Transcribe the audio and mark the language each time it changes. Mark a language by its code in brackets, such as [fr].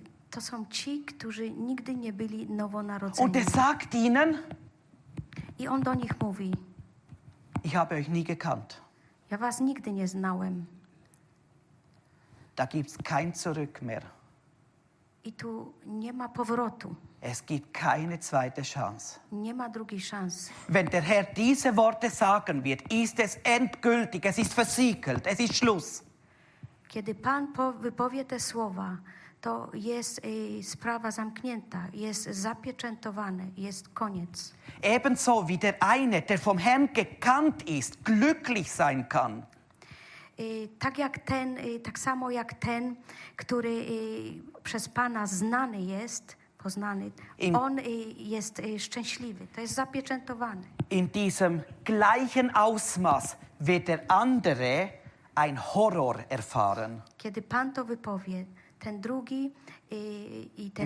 [pl] To są ci, którzy nigdy nie byli nowonarodzeni. [de] Und er sagt ihnen, [pl] i on do nich mówi, [de] ich habe euch nie gekannt. [pl] Ja was nigdy nie znałem. [de] Da gibt's kein Zurück mehr. [pl] I tu nie ma powrotu. [de] Es gibt keine zweite Chance. [pl] Nie ma drugiej szansy. [de] Wenn der Herr diese Worte sagen wird, ist es endgültig, es ist versiegelt, es ist Schluss. [pl] Kiedy Pan wypowie te słowa, to jest sprawa zamknięta, jest zapieczętowane, jest koniec. [de] Ebenso wie der eine, der vom Herrn gekannt ist, glücklich sein kann. [pl] Tak jak ten, tak samo jak ten, który przez Pana znany jest, poznany, on jest szczęśliwy, to jest zapieczętowany. [de] In diesem gleichen Ausmaß wird der andere ein Horror erfahren. [pl] Kiedy Pan to wypowie, ten drugi i ten...